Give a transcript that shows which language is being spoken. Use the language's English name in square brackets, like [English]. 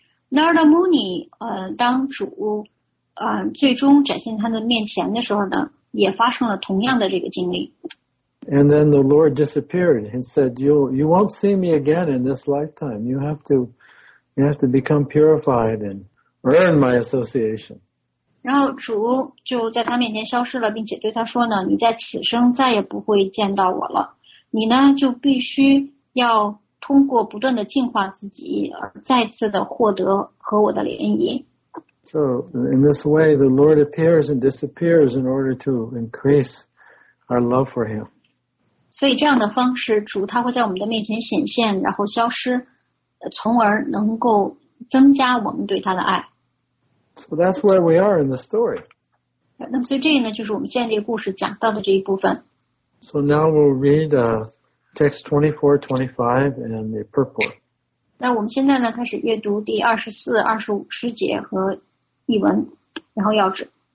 [Chinese] Narada Muni, 当主，最终展现他的面前的时候呢，也发生了同样的这个经历。 [English] And then the Lord disappeared and said, "You won't see me again in this lifetime. You have to become purified and earn my association." [Chinese] 然后主就在他面前消失了，并且对他说呢，你在此生再也不会见到我了，你呢就必须。要通过不断的净化自己，而再次的获得和我的联谊。 [English] So in this way, the Lord appears and disappears in order to increase our love for Him. [Chinese] 所以这样的方式，主他会在我们的面前显现，然后消失，从而能够增加我们对他的爱。 [English] So that's where we are in the story. [Chinese] 那么所以这个呢，就是我们现在这个故事讲到的这一部分。 [English] So now we'll read text 24, 25 and the purport. [Chinese] 那我们现在呢，开始阅读第24、25十节和译文，然后要旨。